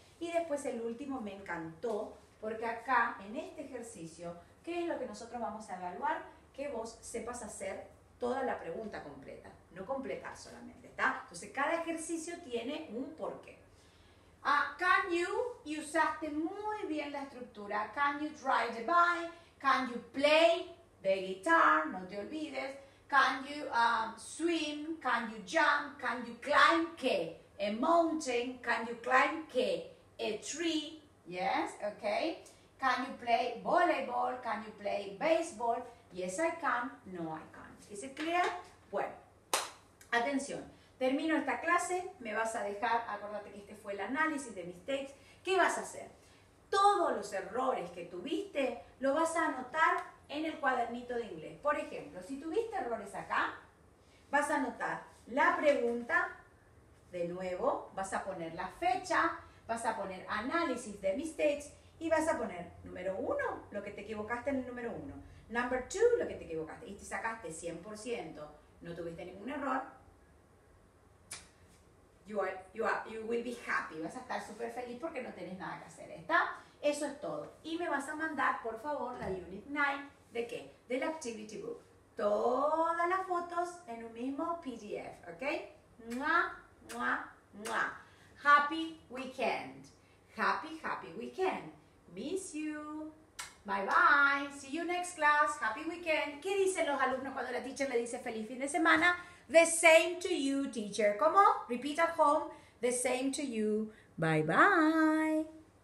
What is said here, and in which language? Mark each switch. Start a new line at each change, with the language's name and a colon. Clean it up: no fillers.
Spanish: Y después el último me encantó porque acá en este ejercicio, ¿qué es lo que nosotros vamos a evaluar? Que vos sepas hacer toda la pregunta completa, no completar solamente, ¿está? Entonces cada ejercicio tiene un porqué.
English: Can you,
Spanish: y usaste muy bien la estructura,
English: can you ride a bike, can you play the guitar,
Spanish: no te olvides,
English: can you swim, can you jump, can you climb qué, a mountain, can you climb qué, a tree, yes, okay, can you play volleyball, can you play baseball, yes I can, no I can't, is it clear?
Spanish: Bueno, atención. Termino esta clase, me vas a dejar, acuérdate que este fue el análisis de mistakes. ¿Qué vas a hacer? Todos los errores que tuviste, los vas a anotar en el cuadernito de inglés. Por ejemplo, si tuviste errores acá, vas a anotar la pregunta, de nuevo, vas a poner la fecha, vas a poner análisis de mistakes y vas a poner número 1, lo que te equivocaste en el número 1.
English: Number 2,
Spanish: lo que te equivocaste y te sacaste 100%, no tuviste ningún error.
English: You will be happy.
Spanish: Vas a estar súper feliz porque no tenés nada que hacer, ¿está? Eso es todo. Y me vas a mandar, por favor, la Unit 9. ¿De qué? Del Activity Book. Todas las fotos en un mismo PDF, ¿ok?
English: Mua, mua, mua. Happy weekend. Happy, happy weekend. Miss you. Bye, bye. See you next class. Happy weekend.
Spanish: ¿Qué dicen los alumnos cuando la teacher le dice feliz fin de semana?
English: The same to you, teacher. ¿Cómo? Repeat at home. The same to you. Bye, bye.